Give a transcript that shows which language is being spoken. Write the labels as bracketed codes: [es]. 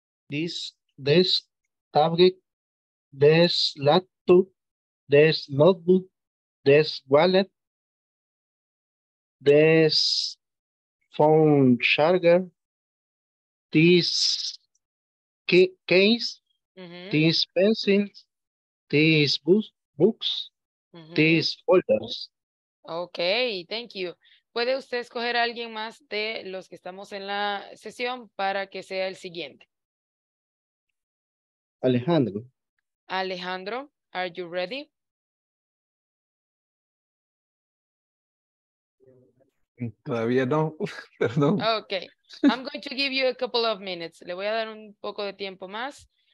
[en] This tablet, this laptop, this notebook, this wallet, this phone charger, this case, this pencils, these books, these folders. Okay, thank you. [es] ¿Puede usted escoger a alguien más de los que estamos en la sesión para que sea el siguiente? Alejandro. [en] Alejandro, are you ready? [es] Todavía no, perdón. [en] Okay, I'm going to give you a couple of minutes. [es] Le voy a dar un poco de tiempo más.